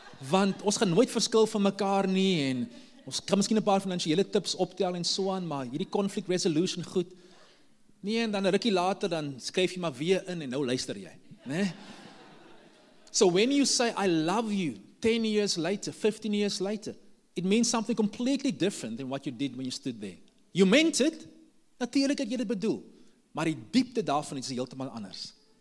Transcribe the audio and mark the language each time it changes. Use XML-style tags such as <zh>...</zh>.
<af>Want ons gaan nooit verskil van mekaar nie, en ons kan miskien 'n paar finansiële tips optel en so aan, maar hierdie conflict resolution goed, nee, en dan 'n rukkie later, dan skryf jy maar weer in, en nou luister jy. Nee?</af> <en>So when you say, I love you, 10 years later, 15 years later, it means something completely different than what you did when you stood there. You meant it,</en> <af>natuurlijk het jy dit bedoel, maar die diepte daarvan is heeltemal anders.</af>